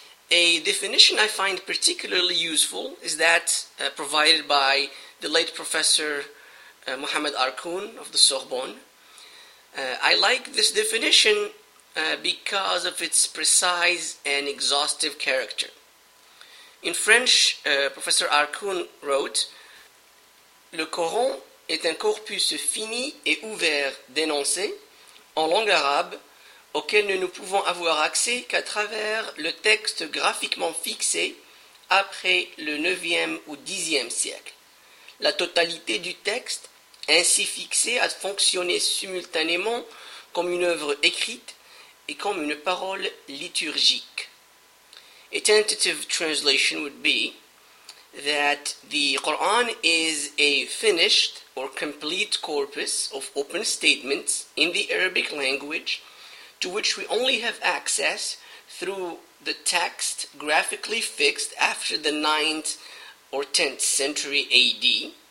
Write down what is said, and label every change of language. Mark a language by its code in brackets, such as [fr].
[en] A definition I find particularly useful is that provided by the late Professor Mohammed Arkoun of the Sorbonne. I like this definition because of its precise and exhaustive character. In French, Professor Arkoun wrote, [fr] "Le Coran est un corpus fini et ouvert d'énoncés en langue arabe auquel ne nous pouvons avoir accès qu'à travers le texte graphiquement fixé après le 9e ou 10e siècle. La totalité du texte ainsi fixé a fonctionné simultanément comme une œuvre écrite et comme une parole liturgique." [en] A tentative translation would be that the Quran is a finished or complete corpus of open statements in the Arabic language to which we only have access through the text graphically fixed after the 9th or 10th century AD.